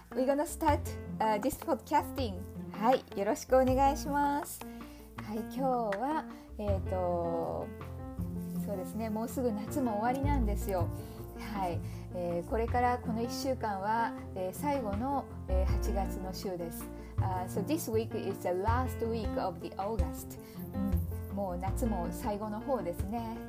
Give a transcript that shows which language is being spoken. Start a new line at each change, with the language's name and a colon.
English: We're gonna start this podcasting.
Japanese: はい、よろしくお願いします。はい、今日は、そうですね、もうすぐ夏も終わりなんですよ。はい、これからこの1週間は、最後の、8月の週です。
English: So this week is the last week of the August.
Japanese: もう夏も最後の方ですね。